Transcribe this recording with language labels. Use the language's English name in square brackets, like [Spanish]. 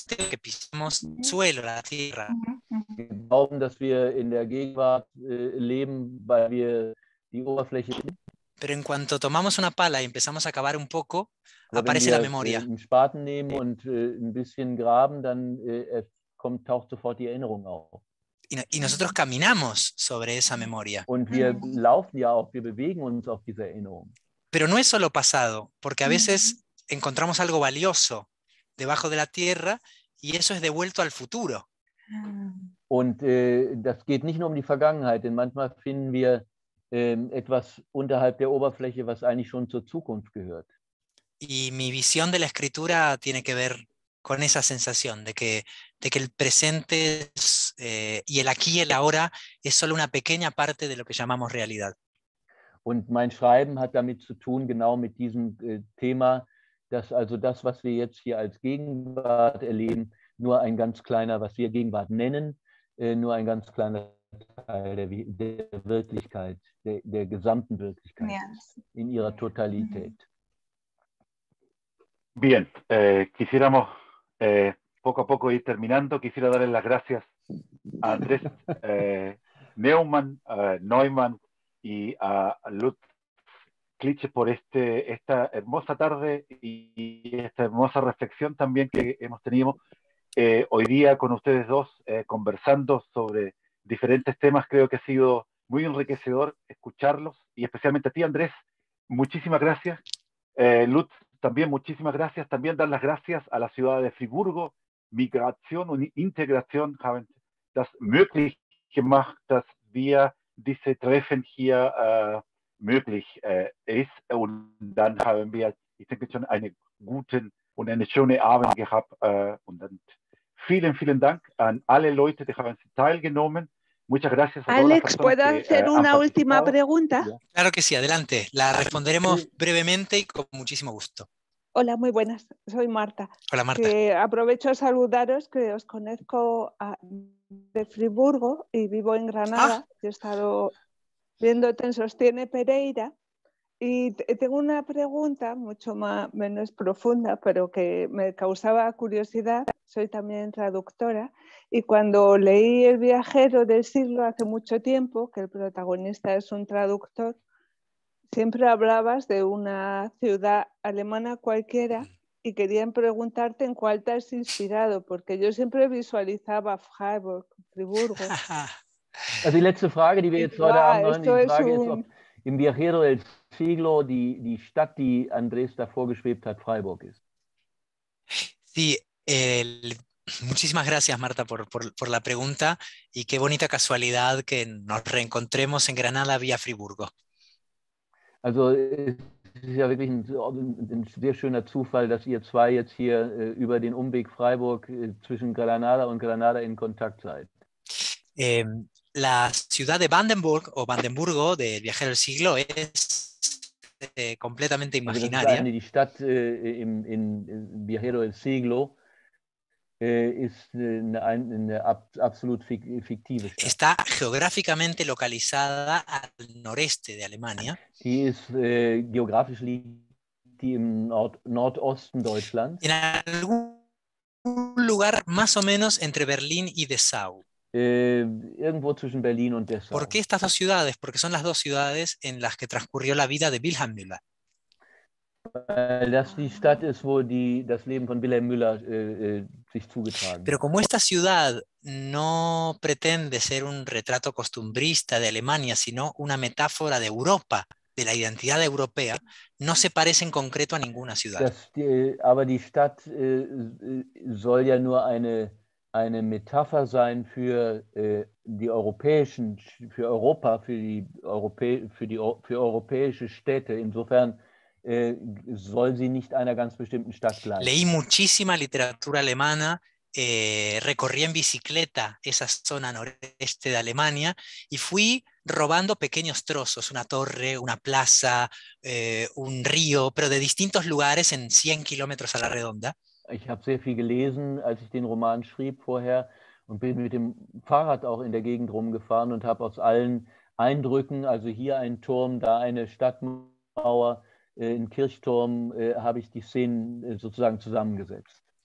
[Spanish] Que pisamos suelo, la tierra. [German] Wir glauben, dass wir in der Gegenwart leben, weil wir die Oberfläche. [Spanish] Pero en cuanto tomamos una pala y empezamos a cavar un poco, aparece la memoria. [German] Wenn wir einen Spaten nehmen und ein bisschen graben, dann taucht sofort die Erinnerung auf. [Spanish] Y nosotros caminamos sobre esa memoria. [German] Und wir laufen ja auch, wir bewegen uns auf diese Erinnerung. [Spanish] Pero no es solo pasado, porque a veces encontramos algo valioso debajo de la tierra, y eso es devuelto al futuro. [German] Und das geht nicht nur um die Vergangenheit, denn manchmal finden wir etwas unterhalb der Oberfläche, was eigentlich schon zur Zukunft gehört. [Spanish] Y mi visión de la escritura tiene que ver con esa sensación de que el presente es, y el aquí y el ahora es solo una pequeña parte de lo que llamamos realidad. [German] Und mein Schreiben hat damit zu tun, genau mit diesem Thema, dass also das, was wir jetzt hier als Gegenwart erleben, nur ein ganz kleiner, was wir Gegenwart nennen, nur ein ganz kleiner Teil der Wirklichkeit, der gesamten Wirklichkeit, yes, in ihrer Totalität. [Spanish] Bien, quisiéramos poco a poco ir terminando. Quisiera darles las gracias Andrés Neumann, Neumann y a Lutz Cliche por esta hermosa tarde y esta hermosa reflexión también que hemos tenido hoy día con ustedes dos, conversando sobre diferentes temas. Creo que ha sido muy enriquecedor escucharlos, y especialmente a ti, Andrés, muchísimas gracias. Lutz, también muchísimas gracias. También dar las gracias a la ciudad de Friburgo, Migración [German] und Integration haben das möglich gemacht, dass wir diese Treffen hier möglich ist. Und dann haben wir, ich denke schon, einen guten und eine schöne Abend gehabt. Und dann vielen, vielen Dank an alle Leute, die haben teilgenommen. [Spanish] Muchas gracias. Alex, ¿puedo hacer una última pregunta? Claro que sí, adelante. La responderemos brevemente y con muchísimo gusto. Hola, muy buenas. Soy Marta. Hola, Marta. Aprovecho a saludaros, que os conozco de Friburgo y vivo en Granada. Yo he estado viéndote en Sostiene Pereira. Y tengo una pregunta mucho menos profunda, pero que me causaba curiosidad. Soy también traductora, y cuando leí El viajero del siglo hace mucho tiempo, que el protagonista es un traductor, siempre hablabas de una ciudad alemana cualquiera, y querían preguntarte en cuál te has inspirado, porque yo siempre visualizaba Freiburg, Friburgo. [German] Also die letzte Frage, die wir jetzt heute haben, ist, ob im viajero del siglo die Stadt, die Andrés davor geschwebt hat, Freiburg ist. [Spanish] Sí, muchísimas gracias, Marta, por la pregunta, y qué bonita casualidad que nos reencontremos en Granada vía Friburgo. [German] Also es ist ja wirklich ein sehr schöner Zufall, dass ihr zwei jetzt hier über den Umweg Freiburg zwischen Granada und Granada in Kontakt seid. [Spanish] La ciudad de Vandenburg o Vandenburgo de Viajero del Siglo es completamente imaginaria. [German] Die Stadt in Viajero del Siglo ist eine absolut fiktive Stadt. [Spanish] Está geográficamente localizada al noreste de Alemania. [German] Sie ist geografisch liegt im Nordosten Deutschlands. [Spanish] En algún lugar más o menos entre Berlín y Dessau. [German] Irgendwo zwischen Berlin und Dessau. [Spanish] ¿Por qué estas dos ciudades? Porque son las dos ciudades en las que transcurrió la vida de Wilhelm Müller. [German] Das die Stadt ist, wo das Leben von Wilhelm Müller sich zugetragen hat. [Spanish] Pero como esta ciudad no pretende ser un retrato costumbrista de Alemania, sino una metáfora de Europa, de la identidad europea, no se parece en concreto a ninguna ciudad. [German] Aber die Stadt soll ja nur eine Metapher sein für die europäischen, für Europa, für europäische Städte. Insofern soll sie nicht einer ganz bestimmten Stadt gleichen. [Spanish] Leí muchísima literatura alemana, recorrí en bicicleta esa zona noreste de Alemania y fui robando pequeños trozos, una torre, una plaza, un río, pero de distintos lugares en 100 kilómetros a la redonda. [German] Ich habe sehr viel gelesen, als ich den Roman schrieb vorher, und bin mit dem Fahrrad auch in der Gegend rumgefahren und habe aus allen Eindrücken, also hier ein Turm, da eine Stadtmauer, ein Kirchturm, habe ich die Szenen sozusagen zusammengesetzt.